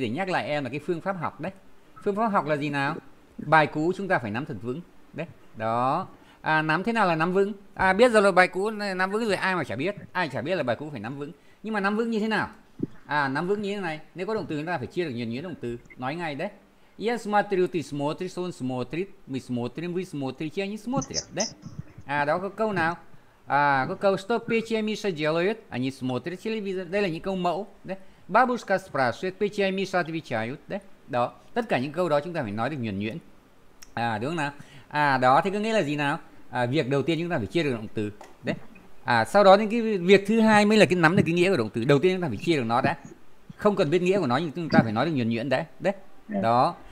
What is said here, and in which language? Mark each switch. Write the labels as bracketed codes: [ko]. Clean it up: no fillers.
[vi] Để nhắc lại em là cái phương pháp học đấy. Phương pháp học là gì nào? Bài cũ chúng ta phải nắm thật vững. Đấy, đó. À, nắm thế nào là nắm vững? À, biết rồi là bài cũ nắm vững rồi, ai mà chả biết. Ai chả biết là bài cũ phải nắm vững. Nhưng mà nắm vững như thế nào? À, nắm vững như thế này. Nếu có động từ chúng ta phải chia được nhuần nhuyễn động từ. Nói ngay đấy. [ru] Я смотрю, ты смотришь, он смотрит, мы смотрим, вы смотрите, они смотрят, да? А, да, как [vi] câu nào? [ru] А, как câu, что Петя и Миша делают? Они смотрят телевизор, да, или они [vi] câu mẫu, [ru] да? Бабушка спрашивает, Петя и Миша отвечают, да? [vi] Да, tất cả những câu đó chúng ta phải nói được nhuần nhuyễn. À, đúng không nào? À, đó, thì có nghĩa là gì nào? À, việc đầu tiên chúng ta phải chia được động từ, đấy. À, sau đó thì cái việc thứ hai mới là cái nắm được cái nghĩa của động từ. Đầu tiên chúng ta phải chia được nó đã. Không cần biết nghĩa của nó nhưng chúng ta phải nói được nhuần nhuyễn đấy, đấy. Đó.